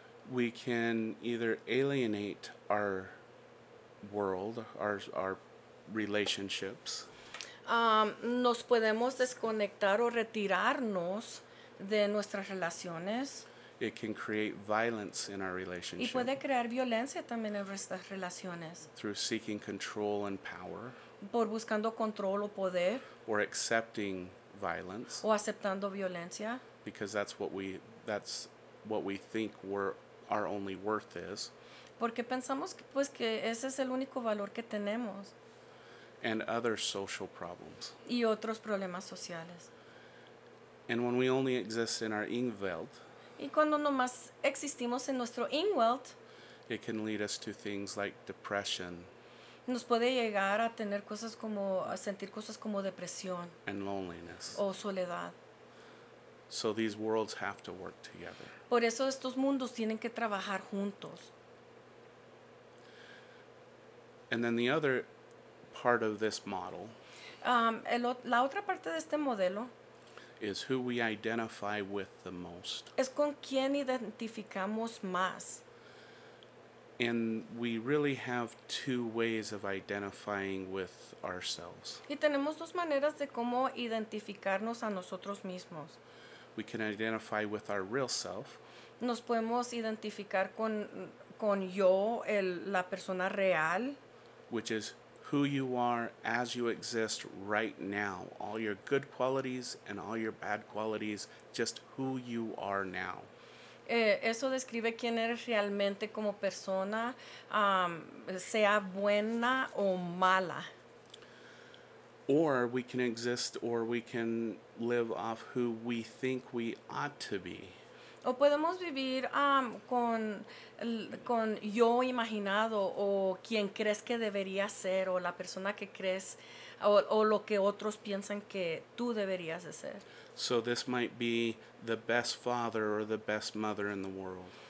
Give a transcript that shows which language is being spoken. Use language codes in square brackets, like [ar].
[en] we can either alienate our world, our relationships. [es] Nos podemos desconectar o retirarnos de nuestras relaciones. [en] It can create violence in our relationship. [es] Y puede crear violencia también en nuestras relaciones. [en] Through seeking control and power. [es] Por buscando control o poder. [en] Or accepting violence. [es] O aceptando violencia. [en] Because that's what we think our only worth is. [es] Porque pensamos que, pues, que ese es el único valor que tenemos. [en] And other social problems. [es] Y otros problemas sociales. [en] And when we only exist in our Umwelt, [es] y cuando nomás existimos en nuestro Umwelt, [en] it can lead us to things like depression. [es] Nos puede llegar a tener cosas como, a sentir cosas como depresión. [en] And loneliness. [es] O soledad. [en] So these worlds have to work together. [es] Por eso estos mundos tienen que trabajar juntos. [en] And then the other part of this model, [es] la otra parte de este modelo, [en] is who we identify with the most. [es] Es con quien identificamos más. [en] And we really have two ways of identifying with ourselves. [es] Y tenemos dos maneras de cómo identificarnos a nosotros mismos. [en] We can identify with our real self. [es] Nos podemos identificar con yo, la persona real. [en] Which is who you are as you exist right now. All your good qualities and all your bad qualities, just who you are now. [es] Eso describe quién eres realmente como persona, sea buena o mala. [en] Or we can exist or we can live off who we think we ought to be. [es] O podemos vivir con yo imaginado o quien crees que debería ser o la persona que crees o lo que otros piensan que tú deberías de ser. [en] So this might be the best father or the best mother in the world.